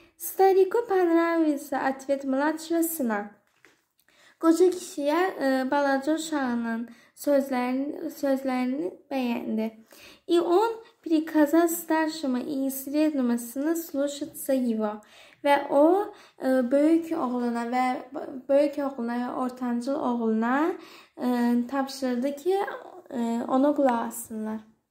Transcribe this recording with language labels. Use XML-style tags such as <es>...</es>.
<ru>Старику понравился ответ младшего сына.</ru> <az>Qoca kişiyə balaca uşağının sözlərini bəyəndi.</az> <ru>И он приказал старшему и среднему сыну слушаться его.</ru> <az>Və o böyük oğluna və ortancıl oğluna tapşırdı ki, ona qulaq assınlar.</az>